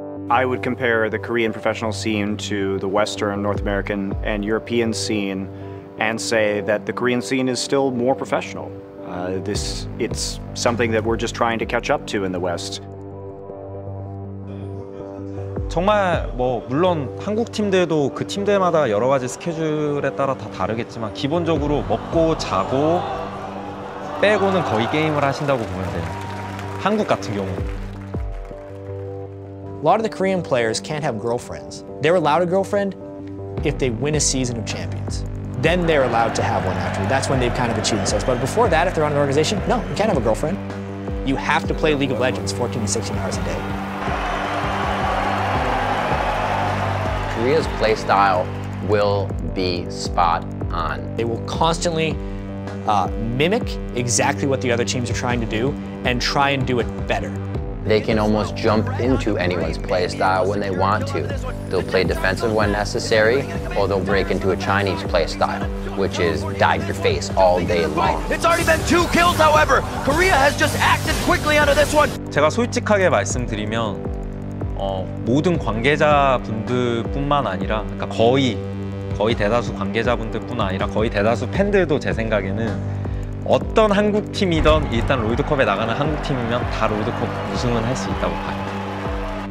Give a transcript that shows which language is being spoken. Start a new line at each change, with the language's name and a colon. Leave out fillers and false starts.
English: I would compare the Korean professional scene to the Western, North American, and European scene and say that the Korean scene is still more professional. It's something that we're just trying to catch up to in the West.
Korean: 정말 뭐 물론 한국 팀들도 그 팀들마다 여러 가지 스케줄에 따라 다 다르겠지만 기본적으로 먹고 자고 빼고는 거의 게임을 하신다고 보면 돼요. 한국 같은 경우.
English: A lot of the Korean players can't have girlfriends. They're allowed a girlfriend if they win a season of champions. Then they're allowed to have one after. That's when they've kind of achieved themselves. But before that, if they're on an organization, no, you can't have a girlfriend. You have to play League of Legends 14 to 16 hours a day. Korea's play style will be spot on. They will constantly mimic exactly what the other teams are trying to do and try and do it better. They can almost jump into anyone's play style when they want to. They'll play defensive when necessary, or they'll break into a Chinese play style, which is dive your face all day long. It's already been two kills, however. Korea has just acted quickly under this one.
Korean: 제가 솔직하게 말씀드리면 모든 관계자분들뿐만 아니라 그러니까 거의 대다수 관계자분들뿐 아니라 거의 대다수 팬들도 제 생각에는 어떤 한국 팀이든 일단 롤드컵에 나가는 한국 팀이면 다 롤드컵 우승은 할 수 있다고 봐요.